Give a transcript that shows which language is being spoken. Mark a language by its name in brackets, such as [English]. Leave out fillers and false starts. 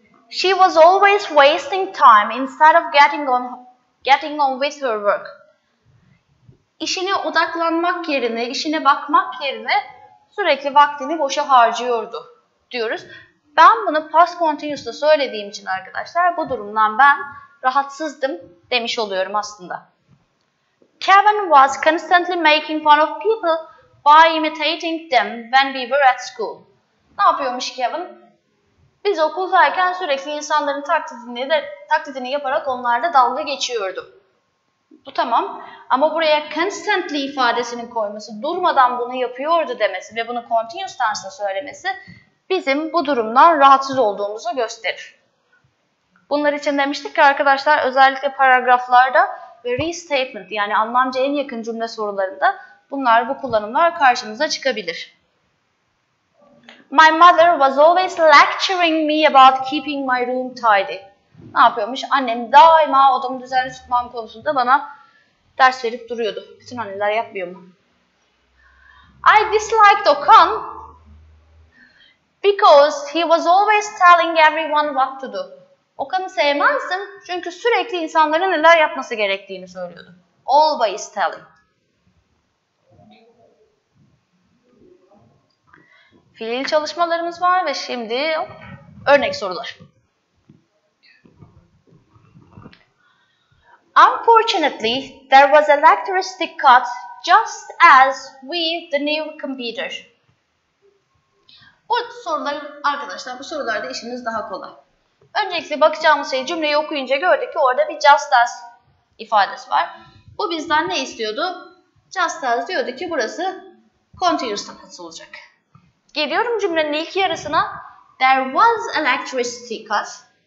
[English] She was always wasting time instead of getting on with her work. [Turkish] İşine odaklanmak yerine, işine bakmak yerine sürekli vaktini boşa harcıyordu diyoruz. Ben bunu past continuous'ta söylediğim için arkadaşlar bu durumdan ben rahatsızdım demiş oluyorum aslında. [English] Kevin was constantly making fun of people by imitating them when we were at school. [Turkish] Ne yapıyormuş Kevin? Biz okuldayken sürekli insanların taklidini yaparak onlarla dalga geçiyordum. Bu tamam. Ama buraya constantly ifadesini koyması, durmadan bunu yapıyordu demesi ve bunu continuous tense'de söylemesi bizim bu durumdan rahatsız olduğumuzu gösterir. Bunlar için demiştik ki arkadaşlar özellikle paragraflarda ve restatement yani anlamca en yakın cümle sorularında bunlar bu kullanımlar karşımıza çıkabilir. [English] My mother was always lecturing me about keeping my room tidy. [Turkish] Ne yapıyormuş? Annem daima odamı düzenli tutmam konusunda bana ders verip duruyordu. Bütün anneler yapmıyor mu? [English] I disliked Okan because he was always telling everyone what to do. [Turkish] Okan'ı sevmezdim çünkü sürekli insanların neler yapması gerektiğini söylüyordu. [English] Always telling. [Turkish] fiil çalışmalarımız var ve şimdi örnek sorular. [English] Unfortunately, there was electricity cut just as with the new computer. [Turkish] Bu sorular arkadaşlar, bu sorularda işimiz daha kolay. Öncelikle bakacağımız şey, cümleyi okuyunca gördük ki orada bir just as ifadesi var. Bu bizden ne istiyordu? Just as diyordu ki burası continuous tense olacak. Geliyorum cümlenin ilk yarısına. There was electricity cut.